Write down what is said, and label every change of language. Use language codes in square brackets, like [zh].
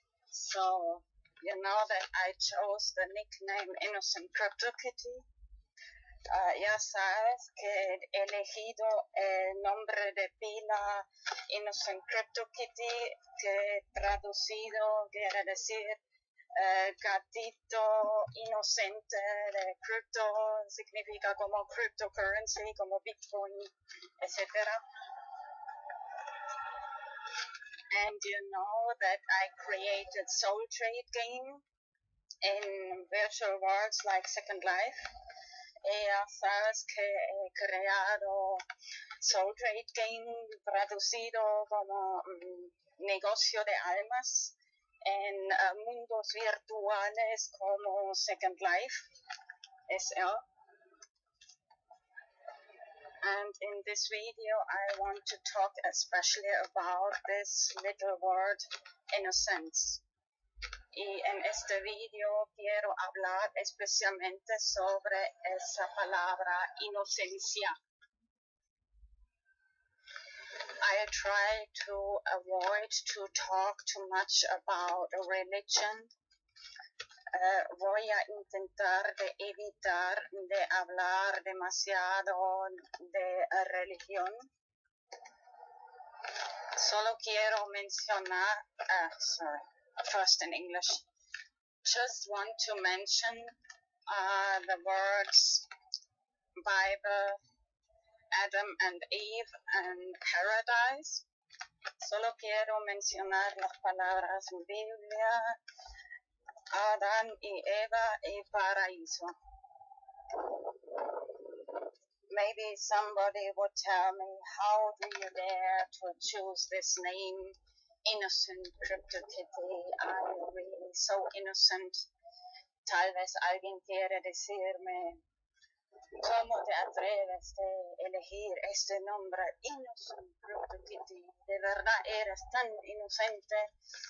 [en] So, you know that I chose the nickname InnocentCryptoKitty. [es] Ya sabes que he elegido el nombre de pila InnocentCryptoKitty, que traducido quiere decir gatito inocente de crypto, significa como cryptocurrency, como Bitcoin, etc. [en] And you know that I created Soul Trade game in virtual worlds like Second Life. [es] EAFs que he creado, Soul Trade Game, traducido como negocio de almas en mundos virtuales como Second Life, SL. [en] And in this video, I want to talk especially about this little word, innocence. [es] Y en este video quiero hablar especialmente sobre esa palabra, inocencia. [en] I try to avoid to talk too much about religion. [es] Voy a intentar de evitar de hablar demasiado de religión. Solo quiero mencionar, [en] first in English. Just want to mention the words Bible, Adam and Eve, and paradise. [es] Solo quiero mencionar las palabras en Biblia. Adán y Eva y paraíso. [en] Maybe somebody would tell me, how do you dare to choose this name, Innocent CryptoKitty? I'm really so innocent. [es] Tal vez alguien quiere decirme, ¿cómo te atreves de elegir este nombre, Innocent CryptoKitty? ¿De verdad eres tan inocente?